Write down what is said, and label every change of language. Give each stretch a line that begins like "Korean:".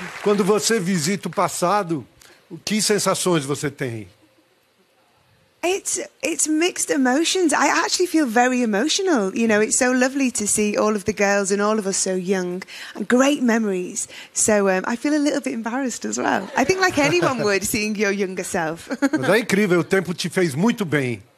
Portuguese: Quando você visita o passado, que sensações você tem?
English: It's mixed emotions. I actually feel very emotional. You know, it's so lovely to see all of the girls and all of us so young. And great memories. So I feel a little bit embarrassed as well. I think like anyone would, seeing your younger self.
Portuguese: Mas é incrível, o tempo te fez muito bem.